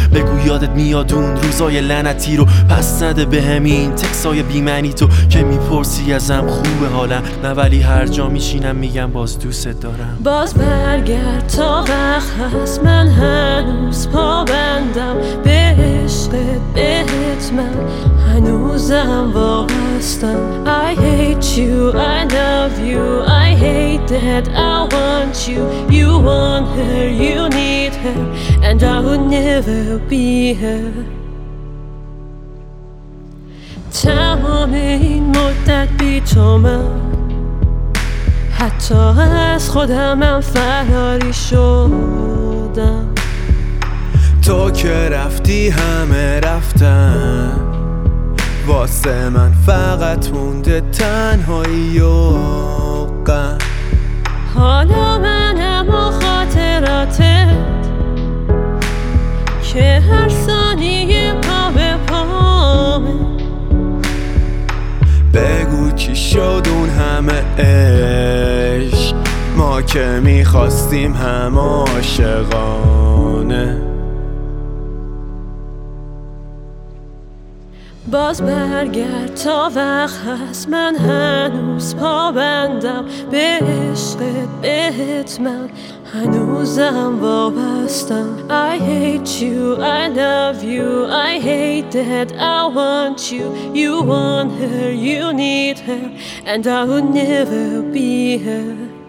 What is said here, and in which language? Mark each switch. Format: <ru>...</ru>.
<fa>بگو یادت میاد اون روزای لعنتی رو، پس نده به همین تکسای بیمنی تو که میپرسی ازم خوبه حالم نه، ولی هر جا میشینم میگم باز دوست دارم. باز برگرد تا وقت هست، من هنوز پابندم به عشق بهت، من هنوزم وابستم.</fa> <en>I hate you, I love you, I hate that, I want you, you want her, you need her, and I would never be her.</en> <fa>تمام این مدت بی تو من حتی از خودم هم فراری شدم. تو که رفتی همه رفتن، واسه من فقط مونده تنهایی و غم. حالا من هم و خاطراتت که هر ثانیه پا به پامه. بگو چی شد اون همه عشق، ما که میخواستیم هم عاشقانه. باز برگرد تا وقت هست، من هنوز پابندم به عشق بهت، من هنوزم وابستم.</fa> <en>I hate you, I love you, I hate that, I want you, you want her, you need her, and I would never be her.</en>